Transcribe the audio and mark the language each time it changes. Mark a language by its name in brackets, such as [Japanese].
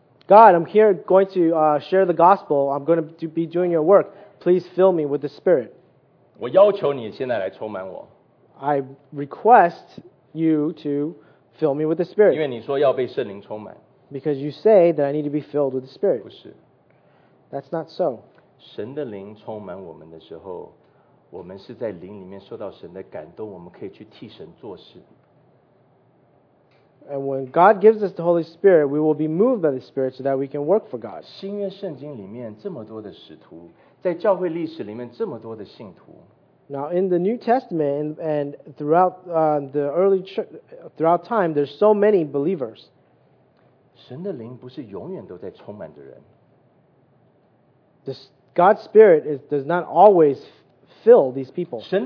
[English] God, I'm here going to share the gospel. I'm going to be doing your work. Please fill me with the Spirit. [Chinese] 我要求你现在来充满我。 [English] I request you to fill me with the Spirit. [Chinese] 因为你说要被圣灵充满。 [English] Because you say that I need to be filled with the Spirit. [Chinese] 不是。 [English] That's not so. [Chinese] 神的灵充满我们的时候, 我们是在灵里面受到神的感动, 我们可以去替神做事。 [English] And when God gives us the Holy Spirit, we will be moved by the Spirit so that we can work for God. [Chinese] 新约圣经里面这么多的使徒, 在教会历史里面这么多的信徒, [English] now in the New Testament and throughout the early throughout time, there's so many believers. [Chinese] 神的灵不是永远都在充满的人。 [English] God's Spirit does not always fill these people.